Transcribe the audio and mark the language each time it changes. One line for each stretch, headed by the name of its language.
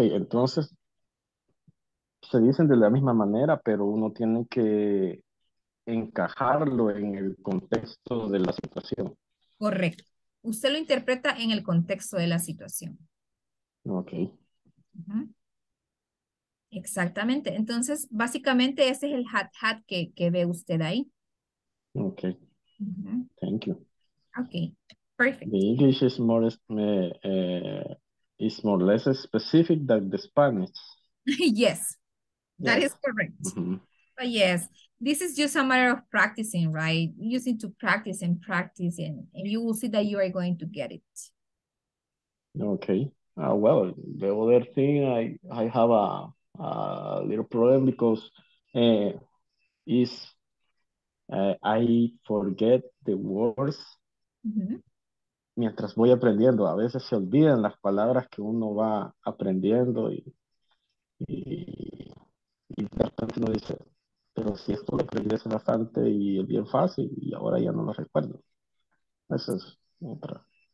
Spanish: Entonces, se dicen de la misma manera, pero uno tiene que encajarlo en el contexto de la situación. Correcto. Usted lo interpreta en el contexto de la situación. Ok. Uh-huh. Exactamente. Entonces, básicamente ese es el had que ve usted ahí.
English: Ok. Uh-huh. Thank you. Ok. Perfect. The English is more or less specific than the Spanish. Yes. That is correct. Mm-hmm. But yes, this is just a matter of practicing, right? You need to practice, and you will see that you are going to get it. Okay. Well, the other thing, I have a little problem because I forget the words. Mm-hmm.
Spanish: Mientras voy aprendiendo, a veces se olvidan las palabras que uno va aprendiendo y de repente uno dice, pero si esto lo aprendí hace bastante y es bien fácil y ahora ya no lo recuerdo. Eso es otra.